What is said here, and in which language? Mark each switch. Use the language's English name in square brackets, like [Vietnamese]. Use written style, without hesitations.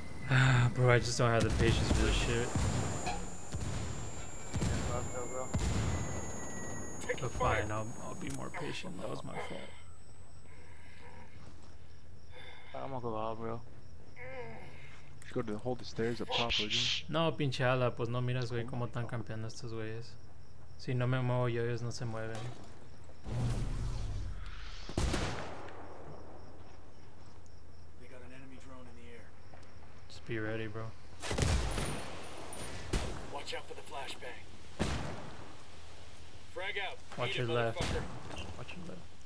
[English] Ah, bro, I just don't have the patience for this shit. But fine, I'll be more patient. That was my fault. I'm gonna go out, bro. Just go to the, hold the stairs up properly. [Spanish] No, pinche ala, pues no miras, güey, cómo están campeando estos güeyes. Si no me muevo yo, ellos no se mueven. [English] They got an enemy drone in the air. Just be ready, bro. Watch out for the flashbang. Frag out. Watch your left. Watch your left.